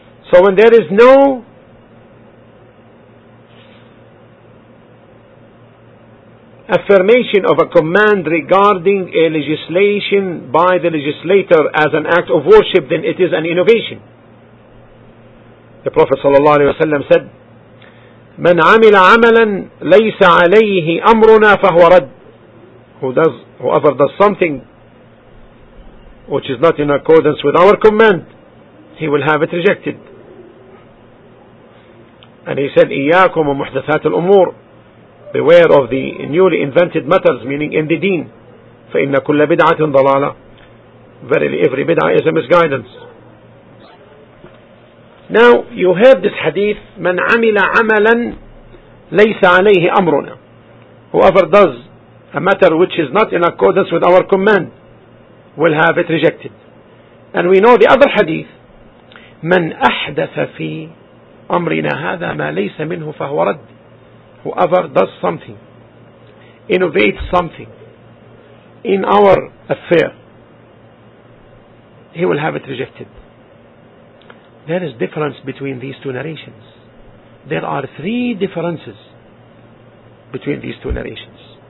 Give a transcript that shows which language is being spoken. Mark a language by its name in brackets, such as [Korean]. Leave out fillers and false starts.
[English] So when there is no affirmation of a command regarding a legislation by the legislator as an act of worship, then it is an innovation. The Prophet ﷺ said, [Arabic] "من عمل عملا ليس عليه أمرنا فهو رد." [English] Whoever does something which is not in accordance with our command, he will have it rejected. And he said, [Arabic] إِيَّاكُمْ وَمُحْدَثَاتِ الْأُمُورِ, [English] beware of the newly invented matters, meaning in the deen. [Arabic] فَإِنَّ كُلَّ بِدْعَةٍ ضَلَالَةٍ, [English] verily every bid'ah is a misguidance. Now, you heard this hadith, [Arabic] مَنْ عَمِلَ عَمَلًا لَيْسَ عَلَيْهِ أَمْرُنَا, [English] whoever does a matter which is not in accordance with our command will have it rejected. And we know the other hadith, [Arabic] مَنْ أَحْدَثَ فِي أمرنا هذا ما ليس منه فهو رد. [English] Whoever does something, innovates something in our affair, he will have it rejected. There is difference between these two narrations. There are three differences between these two narrations.